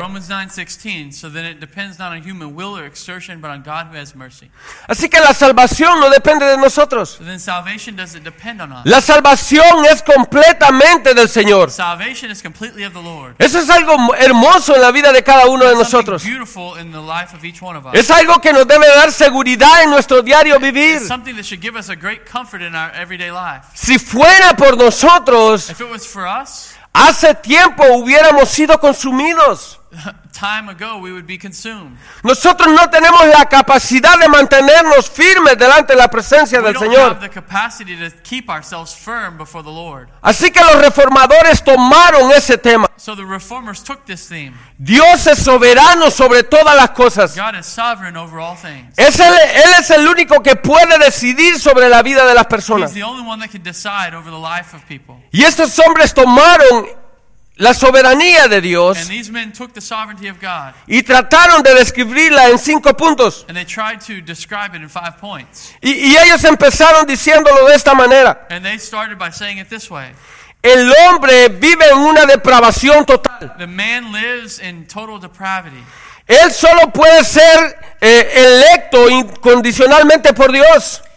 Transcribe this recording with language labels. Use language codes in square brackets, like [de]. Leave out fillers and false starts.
[en] Romans 9:16, so then it depends not on human will or exertion, but on God who has mercy. [es] Así que la salvación no depende de nosotros. [en] So then salvation doesn't depend on us. [es] La salvación es completamente del Señor. [en] Salvation is completely of the Lord. [es] Eso es algo hermoso en la vida de cada uno de nosotros. [en] Beautiful in the life of each one of us. [es] Es algo que nos debe dar seguridad en nuestro diario vivir. [en] It's something that should give us a great comfort in our everyday life. [es] Si fuera por nosotros, [en] if it was for us, [es] hace tiempo hubiéramos sido consumidos. [en] Time ago we would be consumed. [es] Nosotros no tenemos la capacidad de mantenernos firmes delante de la presencia del Señor. [en] We don't have the capacity to keep ourselves firm before the Lord. [es] Así que los reformadores tomaron ese tema. [en] So the reformers took this theme. [es] Dios es soberano sobre todas las cosas. [en] God is sovereign over all things. [es] Él es el único que puede decidir sobre la vida de las personas. [en] He's the only one that can decide over the life of people. [es] Y estos hombres tomaron la soberanía de Dios, [en] and these men took the sovereignty of God, [es] y trataron de describirla en 5 puntos, [en] and they tried to describe it in 5 points. [es] Y ellos empezaron diciéndolo de esta manera, [en] and they started by saying it this way. [es] El hombre vive en una depravación total. [en] The man lives in total depravity. [es] Él solo puede ser electo incondicionalmente por Dios.